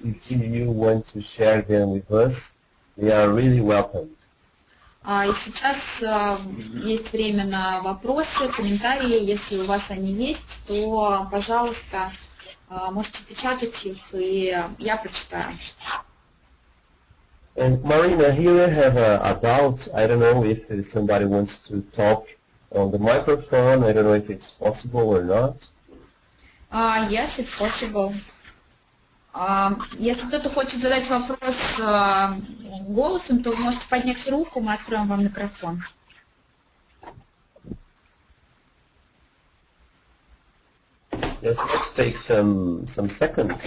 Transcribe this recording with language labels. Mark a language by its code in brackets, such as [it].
[en] If you want to share them with us, we are really welcome. [ru] И сейчас есть время на вопросы, комментарии. Если у вас они есть, то, пожалуйста, можете печатать их, и я прочитаю. [en] And Marina, here I have a doubt. I don't know if somebody wants to talk on the microphone. I don't know if it's possible or not. Yes, it's possible. [ru] Если кто-то хочет задать вопрос голосом, то вы можете поднять руку, мы откроем вам микрофон. [en] Yes, let's take some seconds.